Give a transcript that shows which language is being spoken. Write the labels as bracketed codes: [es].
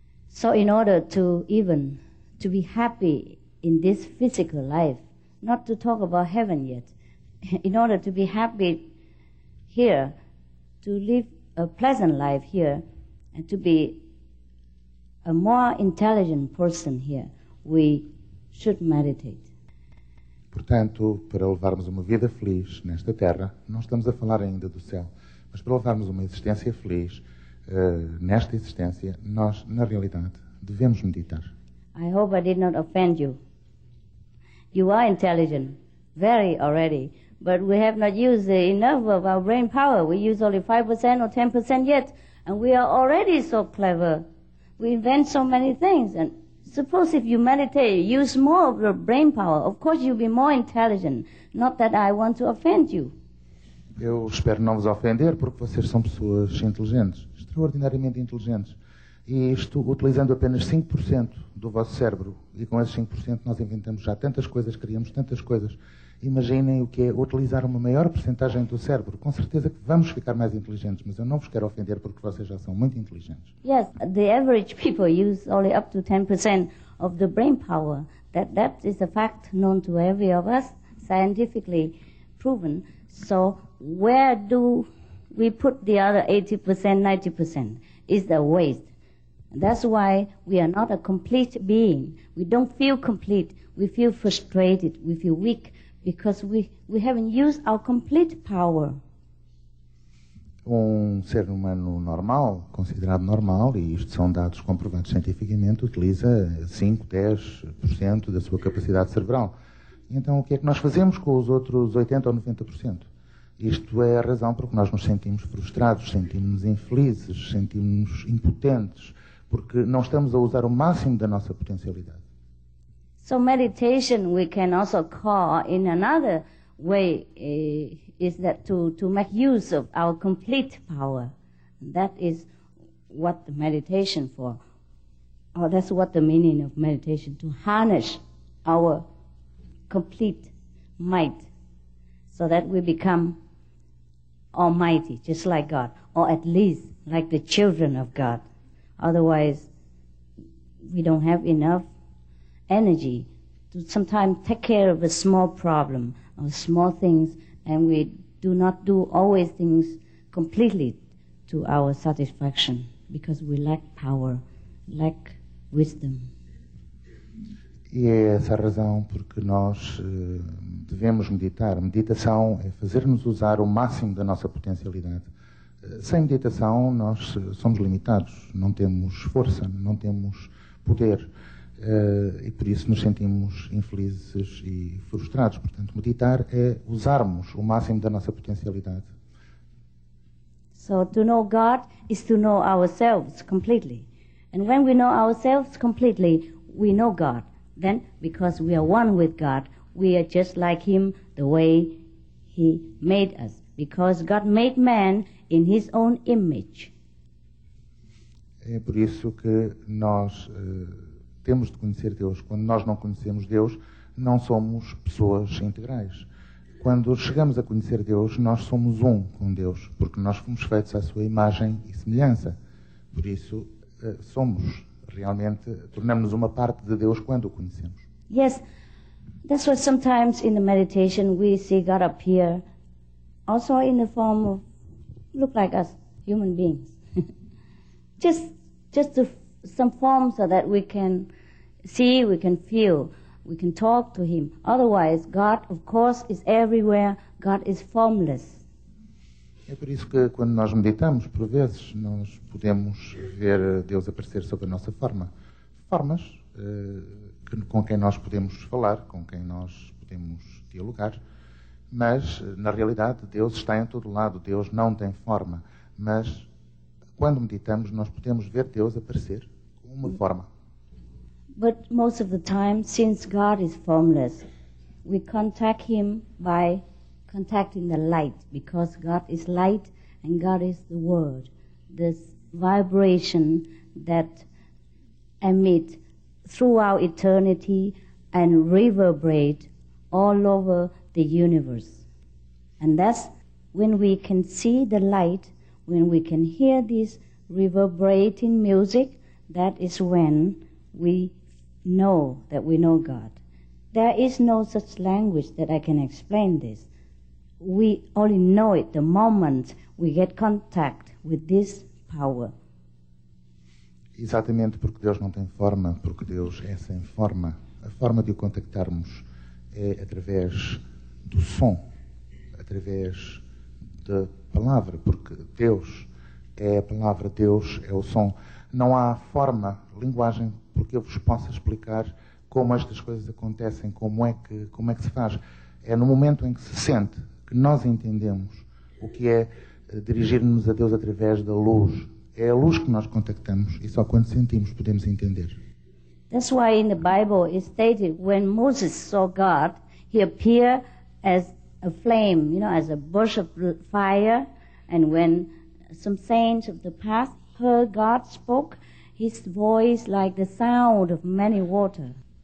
[en] So in order to even to be happy in this physical life, not to talk about heaven yet, in order to be happy here, to live a pleasant life here, and to be a more intelligent person here, we should meditate. [pt] Portanto, para levarmos uma vida feliz nesta terra, não estamos a falar ainda do céu, mas para levarmos uma existência feliz nesta existência, nós, na realidade, devemos meditar. [en] I hope I did not offend you. You are intelligent, very already. But we have not used enough of our brain power. We use only 5% or 10% yet. And we are already so clever. We invent so many things. And suppose if you meditate, use more of your brain power, of course you'll be more intelligent. Not that I want to offend you. [pt] Eu espero não vos ofender, porque vocês são pessoas inteligentes, extraordinariamente inteligentes. E isto utilizando apenas 5% do vosso cérebro. E com esses 5% nós inventamos já tantas coisas, criamos tantas coisas. Imaginem o que é utilizar uma maior percentagem do cérebro. Com certeza que vamos ficar mais inteligentes, mas eu não vos quero ofender porque vocês já são muito inteligentes. [en] Yes, the average people use only up to 10% of the brain power. That is a fact known to every of us, scientifically proven. So where do we put the other 80%, 90%? It's a waste. That's why we are not a complete being. We don't feel complete. We feel frustrated. We feel weak. Because we haven't used our complete power. [pt] Um ser humano normal, considerado normal, e isto são dados comprovados cientificamente, utiliza 5, 10% da sua capacidade cerebral. Então, o que é que nós fazemos com os outros 80% ou 90%? Isto é a razão porque nós nos sentimos frustrados, sentimos infelizes, sentimos impotentes, porque não estamos a usar o máximo da nossa potencialidade. [en] So meditation we can also call in another way is that to make use of our complete power. That is what the meditation for. Or that's what the meaning of meditation, to harness our complete might so that we become almighty, just like God, or at least like the children of God. Otherwise, we don't have enough energy to sometimes take care of a small problem or small things, and we do not do always things completely to our satisfaction because we lack power, lack wisdom. [pt] E é essa a razão porque nós devemos meditar. Meditação é fazer-nos usar o máximo da nossa potencialidade. Sem meditação, nós somos limitados, não temos força, não temos poder. E por isso nos sentimos infelizes e frustrados. Portanto, meditar é usarmos o máximo da nossa potencialidade. [en] So, to know God is to know ourselves completely. And when we know ourselves completely, we know God. Then, because we are one with God, we are just like Him the way He made us. Because God made man in His own image. [pt] É por isso que nós temos de conhecer Deus. Quando nós não conhecemos Deus, não somos pessoas integrais. Quando chegamos a conhecer Deus, nós somos um com Deus, porque nós fomos feitos à sua imagem e semelhança. Por isso, somos realmente, tornamos-nos uma parte de Deus quando o conhecemos. [en] Yes, that's why sometimes in the meditation we see God appear also in the form of, look like us, human beings. Just some form so that we can see, we can feel, we can talk to Him. Otherwise, God, of course, is everywhere. God is formless. [pt] É por isso que quando nós meditamos, por vezes, nós podemos ver Deus aparecer sob a nossa forma. Formas com quem nós podemos falar, com quem nós podemos dialogar. Mas, na realidade, Deus está em todo lado. Deus não tem forma. Mas, quando meditamos, nós podemos ver Deus aparecer com uma forma. [en] But most of the time, since God is formless, we contact Him by contacting the light, because God is light and God is the word, this vibration that emit throughout eternity and reverberate all over the universe. And that's when we can see the light, when we can hear this reverberating music, that is when we know that we know God. There is no such language that I can explain this. We only know it the moment we get contact with this power. [pt] Exatamente, porque Deus não tem forma, porque Deus é sem forma. A forma de o contactarmos é através do som, através da palavra, porque Deus é a palavra, Deus é o som. Não há forma, linguagem, porque eu vos possa explicar como estas coisas acontecem, como é que se faz. É no momento em que se sente que nós entendemos o que é dirigir-nos a Deus através da luz. É a luz que nós contactamos e só quando sentimos podemos entender. [en] That's why in the Bible it stated when Moses saw God, he appeared as a flame, you know, as a bush of fire. And when some saints of the past heard God spoke, his voice like the sound of many water.